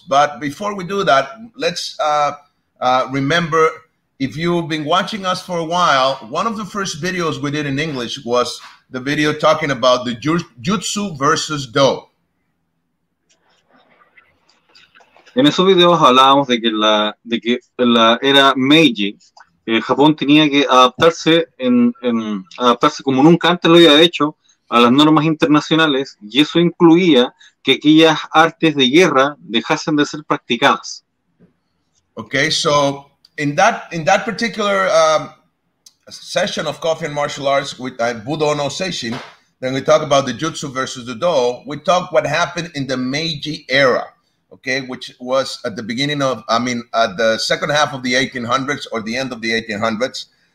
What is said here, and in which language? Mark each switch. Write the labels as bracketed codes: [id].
[en] But before we do that, let's remember, if you've been watching us for a while, one of the first videos we did in English was the video talking about the jutsu versus do. [es] En esos videos hablábamos de que la era Meiji, Japón tenía que adaptarse adaptarse como nunca antes lo había hecho a las normas internacionales, y eso incluía que aquellas artes de guerra dejasen de ser practicadas. [en] Okay, so in that particular session of Coffee and Martial Arts with Budo no Seishin, then we talk about the jutsu versus the do, we talk what happened in the Meiji era, okay, which was at the beginning of, at the second half of the 1800s or the end of the 1800s.